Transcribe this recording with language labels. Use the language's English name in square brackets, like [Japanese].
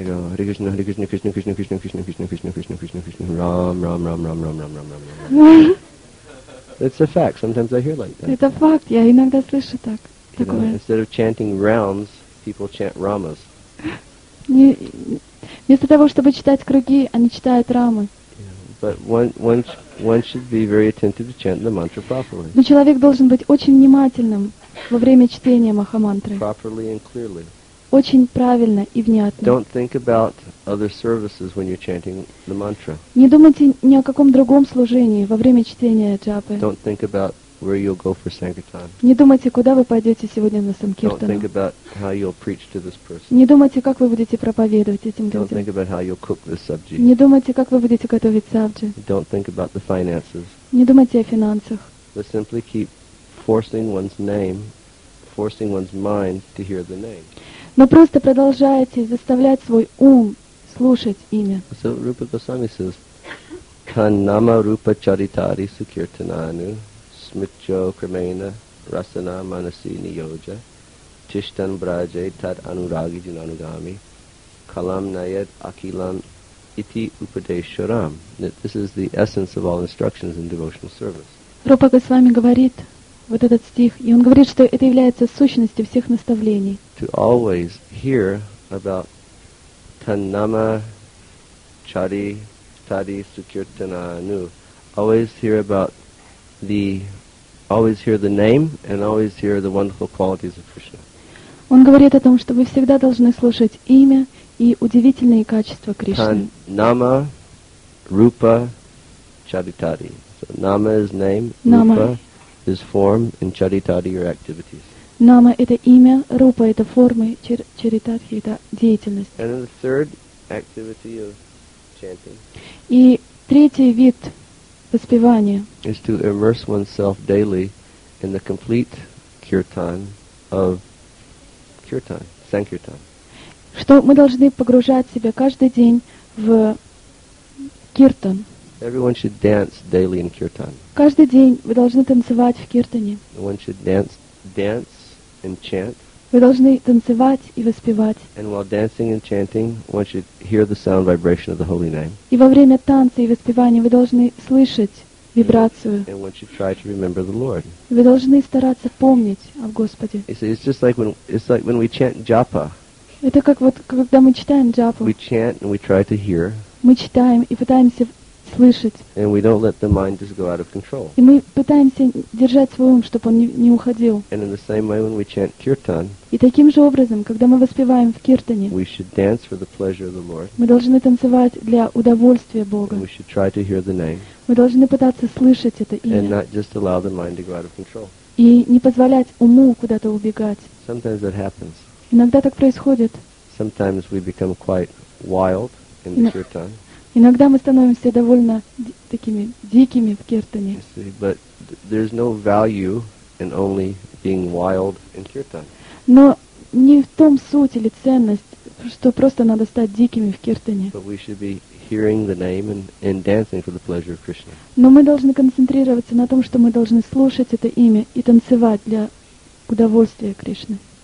[English] They go, Hare Krishna, Hare Krishna, Krishna Krishna, Krishna Krishna, Krishna Krishna, Krishna Krishna, Krishna Krishna, Ram, Ram, Ram, Ram, Ram, Ram, Ram, Ram, Ram. It's a fact. Sometimes I hear like that. [Russian] Это факт. Я иногда слышу так. Такое. [English] Instead of chanting rounds, people chant ramas. [Russian] Вместо того, чтобы читать круги, они читают рамы. [English] But one should be very attentive to chant the mantra properly. [Russian] Но человек должен быть очень внимательным во время чтения Махамантры. [English] Properly and clearly. [Russian] Очень правильно и внятно. [English] Don't think about other services when you're chanting the mantra. [Russian] Не думайте ни о каком другом служении во время чтения джапы. [English] Don't think about where you'll go for sankirtan. [Russian] Не думайте, куда вы пойдете сегодня на санкиртану. [English] Don't think about how you'll preach to this person. [Russian] Не думайте, как вы будете проповедовать этим людям. [English] Don't think about how you'll cook this sabji. [Russian] Не думайте, как вы будете готовить сабджи. [English] Don't think about the finances. [Russian] Не думайте о финансах. [English] But simply keep forcing one's name, forcing one's mind to hear the name. [Russian] Но просто продолжайте заставлять свой ум слушать имя. [English] So Rupa Goswami says, [Sanskrit] Kanama Rupa Charitari Sukirtananu Smicho Kremena Rasana Manasi Niyoja Tishtan Braje Tad Anuragi Jinanugami Kalam Nayad Akilam Iti Upadeshuram. [English] This is the essence of all instructions in devotional service. [Russian] Rupa Goswami говорит вот этот стих, и он говорит, что это является сущностью всех наставлений. [English] To always hear about Tannama Chari Tadi Sukirtananu. Always hear the name and always hear the wonderful qualities of Krishna. [Russian] Он говорит о том, что вы всегда должны слушать имя и удивительные качества Кришны. [Sanskrit] Tannama Rupa Chari Tadi. [English] So Nama is name, Nama. Rupa is form, and charitari your activities. [Russian] Nama это имя, рупа это формы, charitari это деятельность. [English] And the third activity of chanting. [Russian] И третий вид воспевания. [English] Is to immerse oneself daily in the complete kirtan of kirtan, sankirtan. [Russian] Что мы должны погружать себя каждый день в киртан. [English] Everyone should dance daily in kirtan. [Russian] Каждый день вы должны танцевать в киртане. [English] One should dance and chant. [Russian] Вы должны танцевать и воспевать. [English] And while dancing and chanting, one should hear the sound vibration of the holy name. [Russian] И во время танца и воспевания вы должны слышать вибрацию. [English] And one should try to remember the Lord. [Russian] Вы должны стараться помнить о Господе. [English] It's like when we chant japa. [Russian] Это как вот когда мы читаем джапу. [English] We chant and we try to hear. [Russian] Мы читаем и пытаемся слышать. [English] And we don't let the mind just go out of control. [Russian] И мы пытаемся держать свой ум, чтобы он не уходил. [English] And in the same way when we chant kirtan. [Russian] И таким же образом, когда мы воспеваем в киртане. [English] We should dance for the pleasure of the Lord. [Russian] Мы должны танцевать для удовольствия Бога. [English] And we should try to hear the name. [Russian] Мы должны пытаться слышать это имя. [English] And not just allow the mind to go out of control. [Russian] И не позволять уму куда-то убегать. [English] Sometimes that happens. [Russian] Иногда так происходит. [English] Sometimes we become quite wild in the kirtan. [Russian] Иногда мы становимся довольно такими дикими в киртане. [English] But there's no value in only being wild in kirtan. [Russian] Но не в том суть или ценность, что просто надо стать дикими в киртане. [English] But we should be hearing the name and dancing for the pleasure of Krishna. [Russian] Но мы должны концентрироваться на том, что мы должны слушать это имя и танцевать для удовольствия Кришны.